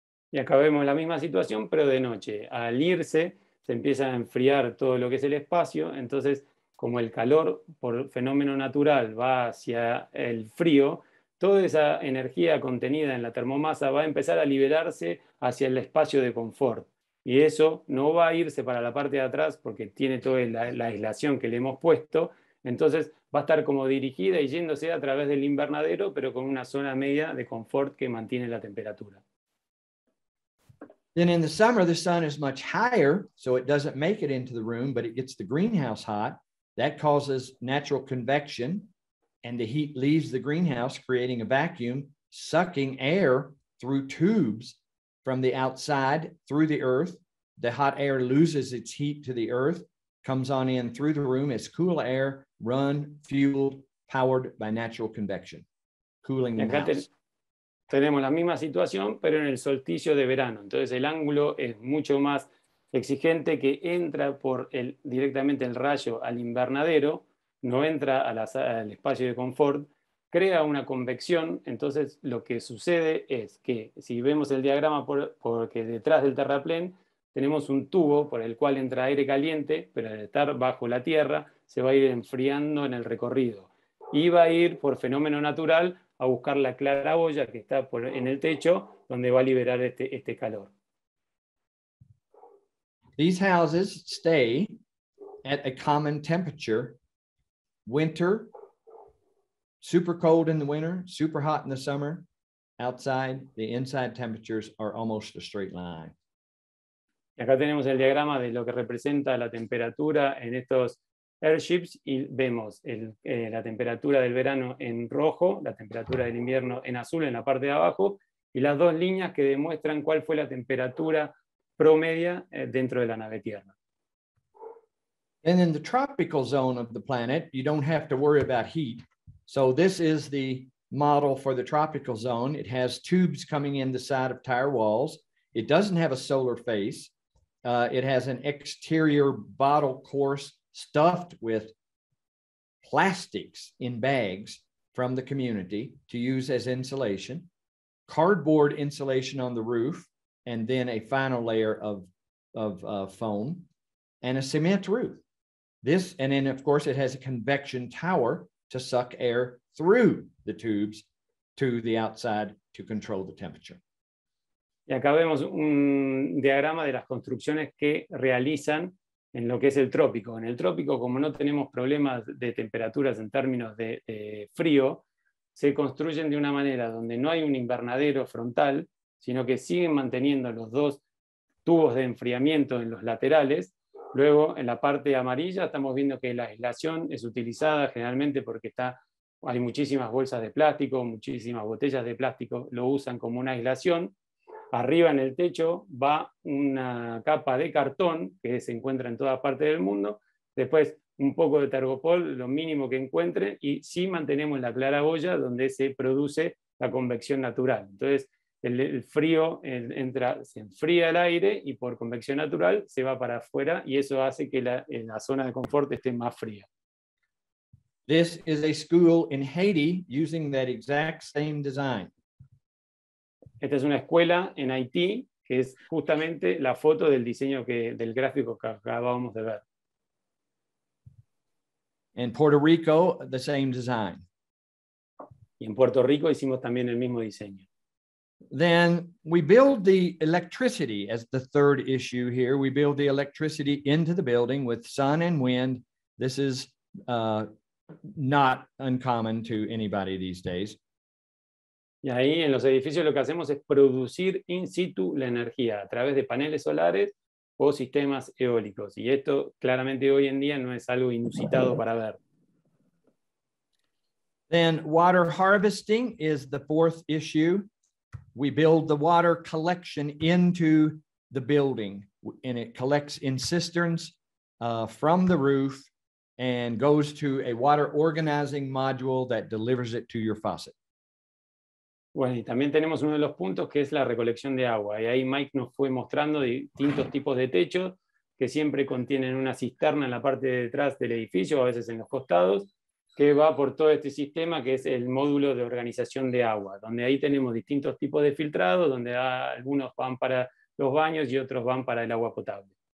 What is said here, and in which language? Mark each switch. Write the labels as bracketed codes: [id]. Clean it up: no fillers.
[es] Y acá vemos la misma situación, pero de noche. Al irse, se empieza a enfriar todo lo que es el espacio. Entonces, como el calor por fenómeno natural va hacia el frío, toda esa energía contenida en la termomasa va a empezar a liberarse hacia el espacio de confort. Y eso no va a irse para la parte de atrás porque tiene toda la aislación que le hemos puesto. Entonces va a estar como dirigida y yéndose a través del invernadero, pero con una zona media de confort que mantiene la temperatura. [en] Then in the summer, the sun is much higher, so it doesn't make it into the room, but it gets the greenhouse hot. That causes natural convection, and the heat leaves the greenhouse, creating a vacuum, sucking air through tubes from the outside through the earth. The hot air loses its heat to the earth, comes on in through the room as cool air, run, fueled, powered by natural convection, cooling the house. [es] Tenemos la misma situación, pero en el solsticio de verano. Entonces el ángulo es mucho más exigente, que entra directamente el rayo al invernadero, no entra al espacio de confort, crea una convección. Entonces lo que sucede es que, si vemos el diagrama, porque detrás del terraplén tenemos un tubo por el cual entra aire caliente, pero al estar bajo la tierra se va a ir enfriando en el recorrido. Y va a ir por fenómeno natural a buscar la claraboya que está por, en el techo, donde va a liberar este, este calor. [en] These houses stay at a common temperature, winter, super cold in the winter, super hot in the summer. Outside, the inside temperatures are almost a straight line. [es] Y acá tenemos el diagrama de lo que representa la temperatura en estos Earthships y vemos el, la temperatura del verano en rojo, la temperatura del invierno en azul en la parte de abajo y las dos líneas que demuestran cuál fue la temperatura promedia dentro de la nave tierna. [en] And in the tropical zone of the planet, you don't have to worry about heat. So this is the model for the tropical zone. It has tubes coming in the side of tire walls. It doesn't have a solar face. It has an exterior bottle course stuffed with plastics in bags from the community to use as insulation, cardboard insulation on the roof, and then a final layer of foam and a cement roof. This, and then of course it has a convection tower to suck air through the tubes to the outside to control the temperature. [es] Y acá vemos un diagrama de las construcciones que realizan en lo que es el trópico. En el trópico, como no tenemos problemas de temperaturas en términos de frío, se construyen de una manera donde no hay un invernadero frontal, sino que siguen manteniendo los dos tubos de enfriamiento en los laterales. Luego, en la parte amarilla, estamos viendo que la aislación es utilizada generalmente porque está, hay muchísimas bolsas de plástico, muchísimas botellas de plástico, lo usan como una aislación. Arriba en el techo va una capa de cartón que se encuentra en toda parte del mundo. Después un poco de tergopol, lo mínimo que encuentre, y sí mantenemos la claraboya donde se produce la convección natural. Entonces el frío entra, se enfría el aire y por convección natural se va para afuera y eso hace que la zona de confort esté más fría. [en] This is a school in Haiti using that exact same design. [es] Esta es una escuela en Haití, que es justamente la foto del diseño que, del gráfico que acabamos de ver. En [en] Puerto Rico, the same design. [es] Y en Puerto Rico hicimos también el mismo diseño. [en] Then we build the electricity as the third issue here. We build the electricity into the building with sun and wind. This is not uncommon to anybody these days. [es] Y ahí en los edificios lo que hacemos es producir in situ la energía a través de paneles solares o sistemas eólicos. Y esto claramente hoy en día no es algo inusitado para ver. [en] Then water harvesting is the fourth issue. We build the water collection into the building and it collects in cisterns from the roof and goes to a water organizing module that delivers it to your faucet. [es] Bueno, y también tenemos uno de los puntos que es la recolección de agua. Y ahí Mike nos fue mostrando distintos tipos de techos que siempre contienen una cisterna en la parte de detrás del edificio, a veces en los costados, que va por todo este sistema que es el módulo de organización de agua, donde ahí tenemos distintos tipos de filtrados, donde algunos van para los baños y otros van para el agua potable.